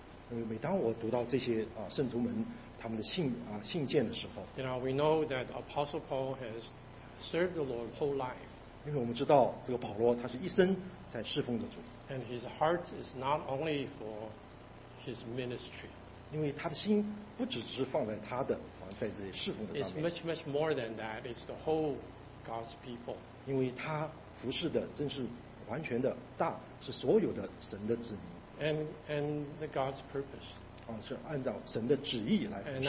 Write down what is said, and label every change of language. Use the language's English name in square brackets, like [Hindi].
[Chinese] 每当我读到这些啊圣徒们他们的信件的时候 [English] ，You know, we know that Apostle Paul has served the Lord whole life. [Chinese] 因为我们知道这个保罗他是一生在侍奉着主 [English] and his heart is not only for his ministry [Chinese] 因为他的心不只是放在他的在这里侍奉的上面 [English] it's much much more than that it's the whole God's people [Chinese] 因为他服侍的真是完全的大是所有的神的子民 [English] and the God's purpose [Chinese] 是按照神的旨意来服侍